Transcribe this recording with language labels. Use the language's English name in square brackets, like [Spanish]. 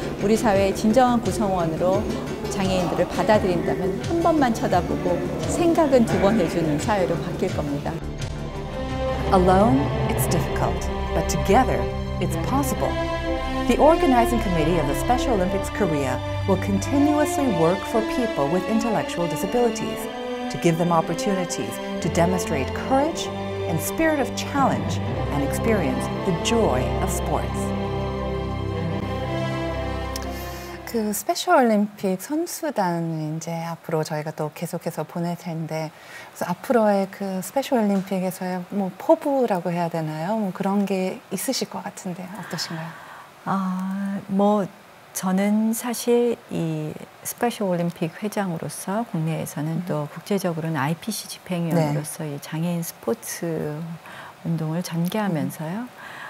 [Korean] 우리 사회의 진정한 구성원으로 장애인들을 받아들인다면 한 번만 쳐다보고 생각은 두 번 해주는 사회로 바뀔 겁니다. [English] Alone, it's difficult, but together, it's possible. The Organizing Committee of the Special Olympics Korea will continuously work for people with intellectual disabilities to give them opportunities to demonstrate courage and spirit of challenge and experience the joy of sports. [Korean] 그 스페셜 올림픽 선수단을 이제 앞으로 저희가 또 계속해서 보낼 텐데 그래서 앞으로의 그 스페셜 올림픽에서의 뭐 포부라고 해야 되나요? 뭐 그런 게 있으실 것 같은데 어떠신가요? 아, 뭐 저는 사실 이 스페셜 올림픽 회장으로서 국내에서는 또 국제적으로는 IPC 집행위원으로서 네. 이 장애인 스포츠 운동을 전개하면서요.